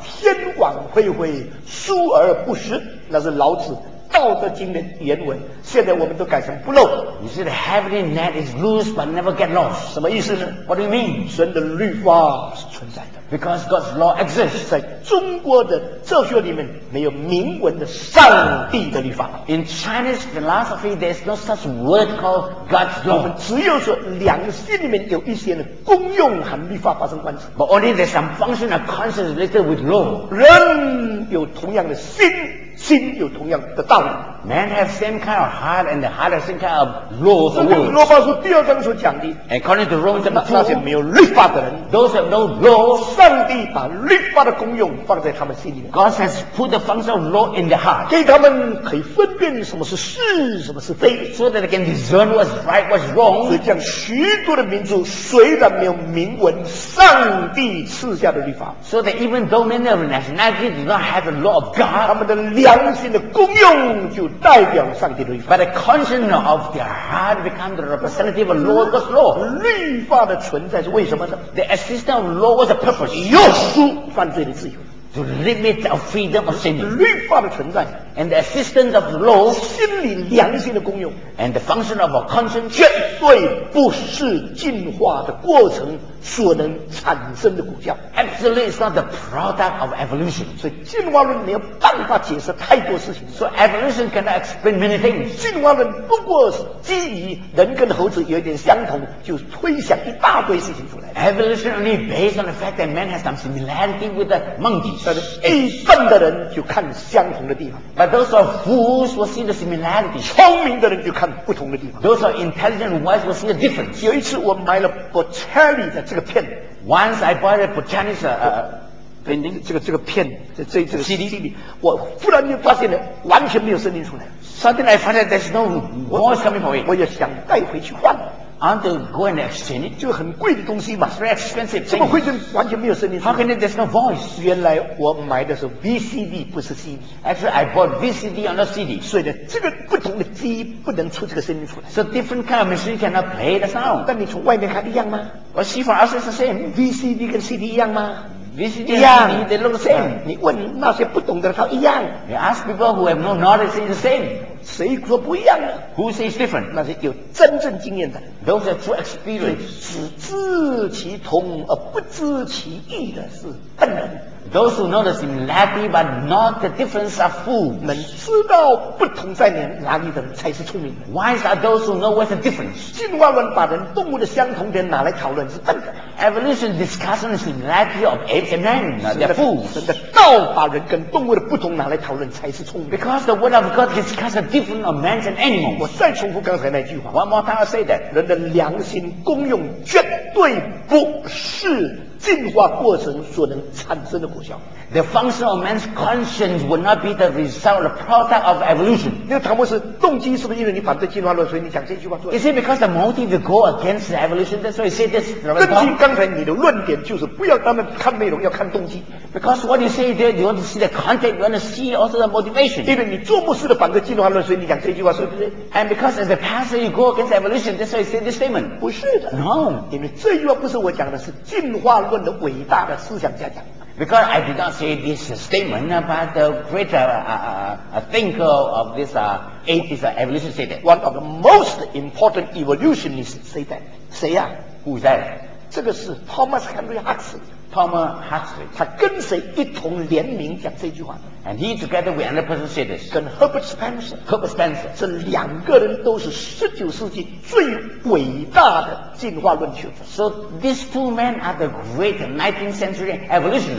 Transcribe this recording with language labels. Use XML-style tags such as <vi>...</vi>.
<zh>天网恢恢，疏而不实，那是老子《道德经》的原文。现在我们都改成不漏。</zh> <en>You see, the heavenly net is loose but never get lost.</en> <zh>什么意思呢？</zh> <en>What do you mean?</en> <zh>神的律法是存在的。</zh> <en>Because God's law exists.</en> <zh>在中国的哲学里面没有明文的上帝的律法。</zh> <en>In Chinese philosophy, there's no such word called God's law.</en> <zh>我们只有说良心里面有一些的功用和律法发生关系。</zh> <en>But only there's some function of conscience related with law.</en> <zh>人有同样的心，心有同样的道理。</zh> <en>Man has same kind of heart, and the heart has same kind of law.</en> <zh>这跟罗马书第二章所讲的。</zh> <en>According to Romans chapter 2,</en> <zh>那些没有律法的人</zh> <en>，those have no law.</en> <zh>上帝把律法的功用放在他们心里。</zh> <en>God has put the function of law in their heart.</en> <zh>给他们可以分辨什么是是，什么是非</zh> <en>，so that they can discern what's right, what's wrong.</en> <zh>所以这样许多的民族虽然没有明文上帝赐下的律法</zh> <en>，so that even though many of nationality do not have the law of God,</en> <zh>他们的良心的功用就代表上帝的律法。</zh> <en>But the conscience of their heart becomes the representative of law, God's law.</en> <zh>律法的存在是为什么呢</zh> <en>？The existence of law was a purpose.</en> <zh>约束犯罪的自由。</zh> <en>To limit our freedom of sin.</en> <zh>律法的存在。</zh> <en>And the existence of law.</en> <zh>心理良心的功用。</zh> <en>And the function of our conscience.</en> <zh>绝对不是进化的过程所能产生的果效。</zh> <en>Absolutely, it's not the product of evolution.</en> <zh>所以进化论没有办法解释太多事情。</zh> <en>So evolution cannot explain many things.</en> <zh>进化论不过是基于人跟猴子有点相同，就推想一大堆事情出来。</zh> <en>Evolution only based on the fact that man has some similarity with the monkeys.</en> <zh>但是愚笨的人就看相同的地方。</zh> <en>But those are fools will see the similarity.</en> <zh>聪明的人就看不同的地方。</zh> <en>Those are intelligent wise will see the difference.</en> <zh>有一次我买了 Botticelli 的这个片。</zh> <en>Once I bought a Botticelli's painting.</en> <zh>这个片，这个</zh> <en>CD. CD.</en> <zh>我忽然就发现了，完全没有声音出来。</zh> <en>Suddenly I found that there's no voice coming from it.</en> <zh>我也想带回去换。</zh> <en>And to go and exchange it.</en> <zh>就很贵的东西嘛。</zh> <en>It's very expensive.</en> <zh>怎么会是完全没有声音？</zh> <en>How can it, there's no voice?</en> <zh>原来我买的是 VCD, 不是 CD.</zh> <en>Actually, I bought VCD on the CD.</en> <zh>所以呢，这个不同的机不能出这个声音出来。</zh> <en>So different kind of machine cannot play the sound.</en> <zh>但你从外面看一样吗？</zh> <en>Well, see for us it's the same.</en> <zh>VCD 跟 CD 一样吗？</zh> <en>VCD and CD, they look the same.</en> <zh>你问那些不懂的人，他一样。</zh> <en>You ask people who have no knowledge, it's the same.</en> <zh>谁说不一样呢？</zh> <en>Who says different?</en> <zh>那些有真正经验的。</zh> <en>Those are true experience.</en> <zh>只知其同而不知其异的是笨人。</zh> <en>Those who know the similarity but not the difference are fools.</en> <zh>能知道不同在哪里的人才是聪明人。</zh> <en>Wise are those who know what's the difference.</en> <zh>进化论把人动物的相同点拿来讨论是笨的。</zh> <en>Evolution discussing the similarity of apes and men, they're fools.</en> <zh>神的道把人跟动物的不同拿来讨论才是聪明。</zh> <en>Because the word of God discusses the difference of men and animals.</en> <zh>我再重复刚才那句话。</zh> <en>One more time I say that.</en> <zh>人的良心功用绝对不是进化过程所能产生的果效。</zh> <en>The function of man's conscience will not be the result, the product of evolution.</en> <zh>那个唐博士动机是不是因为你反对进化论，所以你讲这句话出来</zh> <en>？Is it because the motive to go against the evolution? That's why you say this.</en> <zh>根据刚才你的论点，就是不要他们看内容，要看动机。</zh> <en>Because what you say there, you want to see the content, you want to see also the motivation.</en> <zh>因为你做牧师的反对进化论，所以你讲这句话，是不是</zh> <en>？And because as a pastor, you go against evolution. That's why you say this statement.</en> <zh>不是的。</zh> <en>No.</en> <zh>因为这句话不是我讲的，是进化论的伟大的思想家讲。</zh> <en>Because I did not say this statement, but the great thinker of this atheist evolution said that. One of the most important evolutionists said that.</en> <zh>谁呀、</zh> <en>啊、？Who's that?</en> <zh>这个是 Thomas Henry Huxley.</zh> <en>Thomas Huxley.</en> <zh>他跟谁一同联名讲这句话</zh> <en>？And he together with another person said this.</en> <zh>跟 Herbert Spencer.</zh> <en>Herbert Spencer.</en> <zh>这两个人都是十九世纪最伟大的进化论学者。</zh> <en>So these two men are the great 19th century evolutionists.</en>